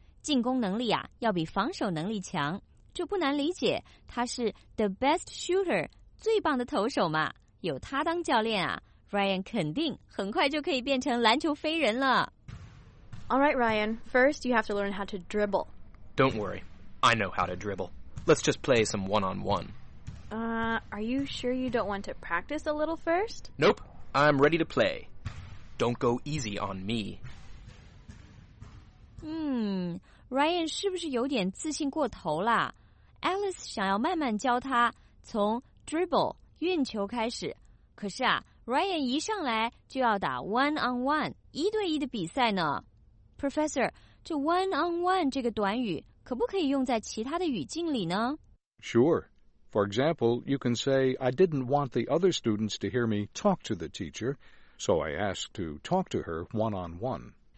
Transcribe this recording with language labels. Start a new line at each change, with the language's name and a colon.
Chinese: 进攻能力啊，要比防守能力强。这不难理解，他是 the best shooter, 最棒的投手嘛。有他当教练啊 ，Ryan 肯定很快就可以变成篮球飞人了。
English: All right, Ryan. First, you have to learn how to dribble. Don't worry, I know how to dribble. Let's just play some one-on-one. Are you sure you don't want to practice a little first? Nope, I'm ready to play. Don't go easy on me.
Chinese: Ryan 是不是有点自信过头了 ？Alice 想要慢慢教他从 dribble 运球开始，可是啊 ，Ryan 一上来就要打 one on one 一对一的比赛呢。Professor， 这 one on one 这个短语可不可以用在其他的语境里呢？
English: Sure. For example, you can say, I didn't want the other students to hear me talk to the teacher, so I asked to talk to her one-on-one.